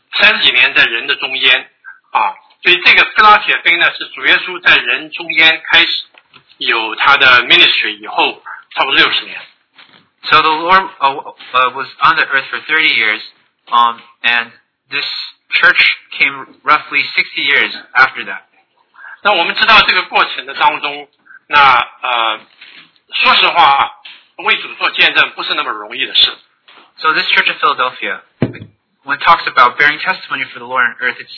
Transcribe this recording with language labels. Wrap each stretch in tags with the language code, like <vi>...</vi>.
<zh>我应该这样说，是在第一世纪的结束。我们主耶稣是差不多三十几年来的，就是三十几年在人的中间啊。所以这个菲拉铁菲呢，是主耶稣在人中间开始有他的 ministry 以后，差不多60年。</zh> <en>So the Lord was on the earth for 30 years, and this church came roughly 60 years after that.</en> <zh>那我们知道这个过程的当中，那说实话，为主做见证不是那么容易的事。</zh> <en>So this Church of Philadelphia, when it talks about bearing testimony for the Lord on earth,</en>